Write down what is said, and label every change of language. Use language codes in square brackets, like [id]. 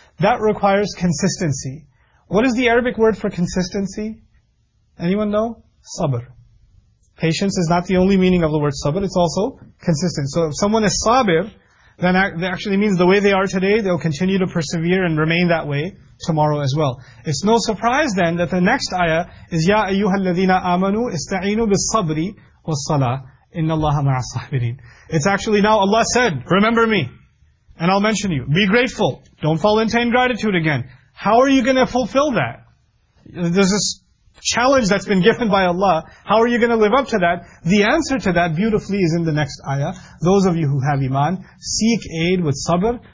[en] That requires consistency. What is the Arabic word for consistency? Anyone know? Sabr. Patience is not the only meaning of the word sabr, it's also consistent. So if someone is sabir, then that actually means the way they are today, they'll continue to persevere and remain that way tomorrow as well. It's no surprise then that the next ayah is, [ar] يَا أَيُّهَا الَّذِينَ آمَنُوا إِسْتَعِينُوا بِالصَّبْرِ وَالصَّلَاةِ إِنَّ اللَّهَ مَعَ الصَّابِرِينَ. [en] It's actually now Allah said, remember me, and I'll mention you. Be grateful. Don't fall into ingratitude again. How are you going to fulfill that? There's this challenge that's been given by Allah. How are you going to live up to that? The answer to that beautifully is in the next ayah. Those of you who have iman, seek aid with sabr.